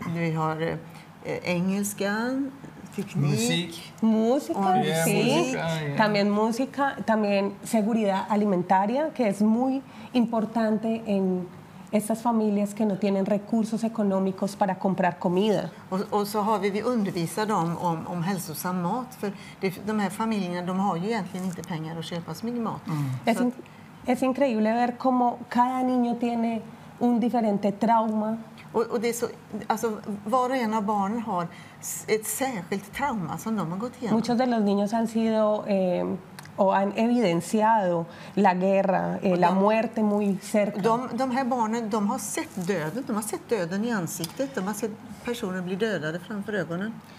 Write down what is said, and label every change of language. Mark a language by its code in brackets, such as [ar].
[sv] Vi har engelska, Teknik. [es] Música, oh, yeah, sí. Música, yeah. También música, también seguridad alimentaria, que es muy importante en estas familias que no tienen recursos económicos para comprar comida. [sv] Och så har vi undervisat dem om hälsosam mat, för de här familjerna, de har ju egentligen inte pengar att köpa så mycket mat. [es] Es increíble ver cómo cada niño tiene un diferente trauma. [sv] Och det är så, alltså, var och en av barnen har ett särskilt trauma som de har gått igenom. [es] Muchos de los niños han sido o han evidenciado la guerra, la muerte muy cerca. [sv] De här barnen, de har sett döden. De har sett döden i ansiktet. De har sett personer bli dödade framför ögonen.